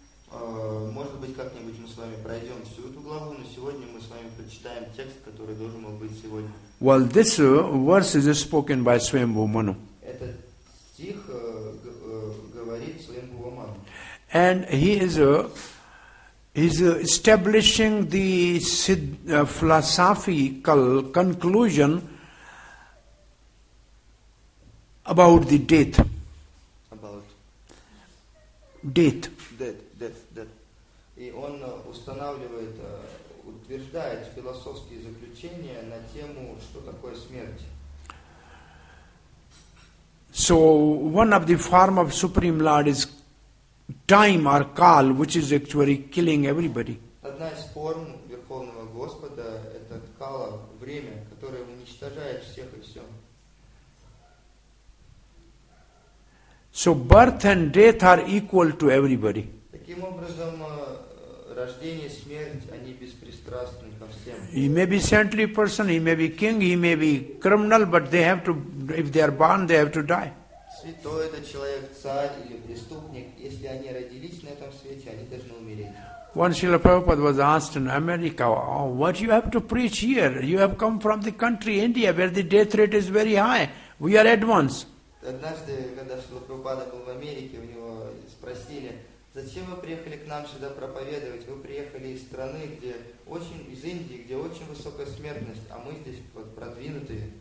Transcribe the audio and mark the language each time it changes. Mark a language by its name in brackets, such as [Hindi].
[Russian] Может быть, как-нибудь мы с вами пройдем всю эту главу, но сегодня мы с вами прочитаем текст, который должен был быть сегодня. [English] Well, this verse is spoken by Swayambhu Manu. [Russian] Этот стих говорит Swayambhu Manu. [English] And he is a He's establishing the philosophical conclusion about the death. About death. Death. [Russian] И он устанавливает, утверждает философские заключения на тему, что такое смерть. [English] So one of the form of Supreme Lord is time or kal, which is actually killing everybody. [Russian] Одна из форм Верховного Господа это кала, время, которое уничтожает всех и все. [English] So birth and death are equal to everybody. [Russian] Таким образом, рождение, смерть, они беспристрастны ко всем. [English] He may be saintly person, he may be king, he may be criminal, but they have to, if they are born, they have to die. [Russian] Святой это человек, царь или преступник. Если они родились на этом свете, они должны умереть. [English] Once Srila Prabhupada was asked in America, oh, what you have to preach here? You have come from the country India where the death rate is very high. We are advanced. [Russian] Однажды, когда Шрила Прабхупада был в Америке, у него спросили, зачем вы приехали к нам сюда проповедовать? Вы приехали из страны, где очень, из Индии, где очень высокая смертность, а мы здесь вот продвинутые.